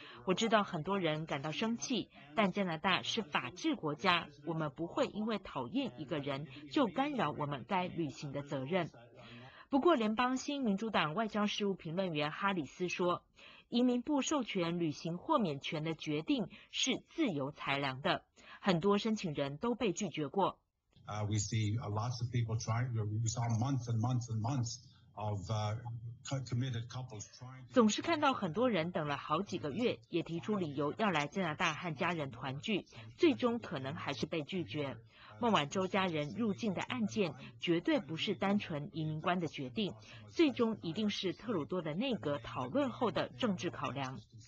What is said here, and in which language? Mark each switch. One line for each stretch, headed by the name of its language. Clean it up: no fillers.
Chinese: 我知道很多人感到生气，但加拿大是法治国家，我们不会因为讨厌一个人就干扰我们该履行的责任。不过联邦新民主党外交事务评论员哈里斯说，移民部授权履行豁免权的决定是自由裁量的，很多申请人都被拒绝过。
English: We see lots of people trying, we saw months and months and months of committed couples trying.
Chinese: 总是看到很多人等了好几个月，也提出理由要来加拿大和家人团聚，最终可能还是被拒绝。孟晚舟家人入境的案件绝对不是单纯移民官的决定，最终一定是特鲁多的内阁讨论后的政治考量。